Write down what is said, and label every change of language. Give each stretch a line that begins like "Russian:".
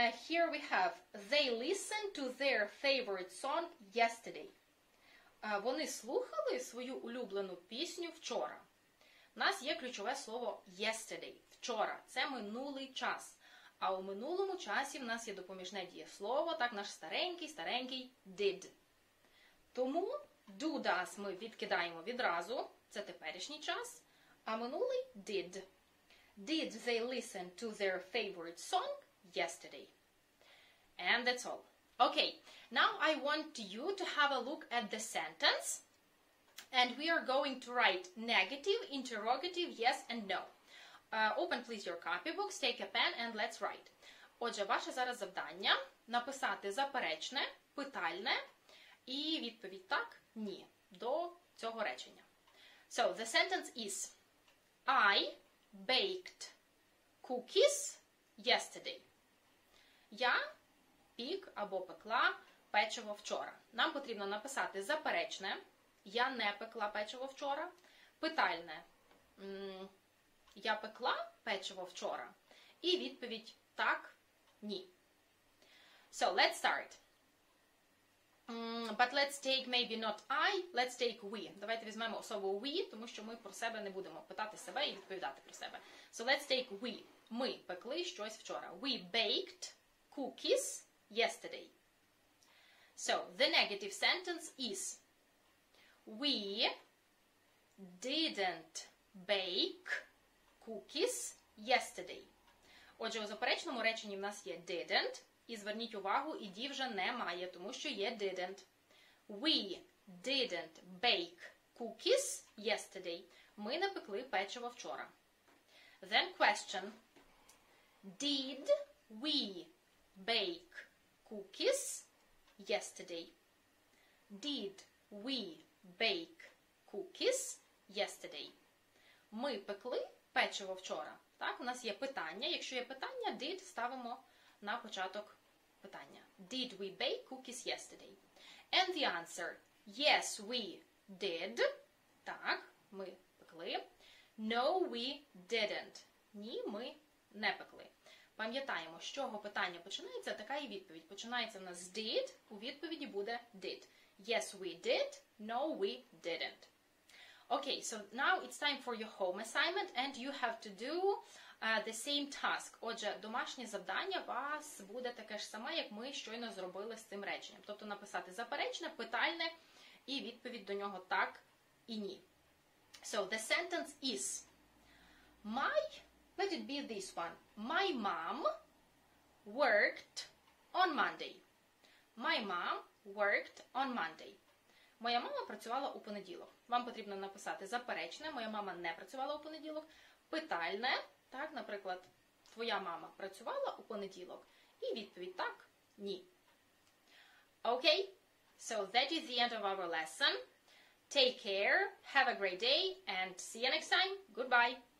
English: Here we have, they listened to their favorite song yesterday.
Ukrainian: Вони слухали свою улюблену пісню вчора. У нас є ключове слово yesterday, вчора, це минулий час. А у минулому часі в нас є допоміжне дієслово, так, наш старенький did. Тому do, does ми відкидаємо відразу, це теперішній час, а минулий did.
English: Did they listen to their favorite song yesterday? And that's all. Okay, now I want you to have a look at the sentence. And we are going to write negative, interrogative, yes and no. Open please your copybooks, take a pen and let's write.
Ukrainian: Отже, ваше зараз завдання – написати заперечне, питальне і відповідь так – ні до цього речення.
English: So, the sentence is I baked cookies yesterday.
Ukrainian: Я пік або пекла печиво вчора. Нам потрібно написати заперечне – я не пекла печиво вчора. Питальне – я пекла печиво вчора? І відповідь – так, ні.
English: So, let's start. But let's take maybe not I, let's take we.
Ukrainian: Давайте візьмемо особу we, тому що ми про себе не будемо питати себе і відповідати про себе.
English: So, let's take we.
Ukrainian: Ми пекли щось вчора.
English: We baked cookies yesterday. So, the negative sentence is we didn't bake cookies yesterday.
Ukrainian: Отже, у заперечному реченні в нас є didn't. І зверніть увагу, ed вже немає, тому що є didn't.
English: We didn't bake cookies yesterday.
Ukrainian: Ми не пекли печиво вчора.
English: Then question. Did we bake cookies yesterday? Did we bake cookies yesterday?
Ukrainian: Ми пекли печиво вчора. Так, у нас є питання. Якщо є питання, did ставимо на початок питання.
English: Did we bake cookies yesterday? And the answer. Yes, we did.
Ukrainian: Так, ми пекли.
English: No, we didn't.
Ukrainian: Ні, ми не пекли. Пам'ятаємо, з чого питання починається, така і відповідь. Починається в нас з did, у відповіді буде did.
English: Yes, we did. No, we didn't. Okay, so now it's time for your home assignment and you have to do the same task.
Ukrainian: Отже, домашнє завдання вас буде таке ж саме, як ми щойно зробили з цим реченням. Тобто написати заперечне, питальне і відповідь до нього так і ні.
English: So, the sentence is my, let it be this one, my mom worked on Monday. My mom worked on Monday.
Ukrainian: Моя мама працювала у понеділок. Вам потрібно написати заперечне, моя мама не працювала у понеділок. Питальне, так, наприклад, твоя мама працювала у понеділок. І відповідь так, ні.
English: Okay, so that is the end of our lesson. Take care, have a great day, and see you next time. Goodbye.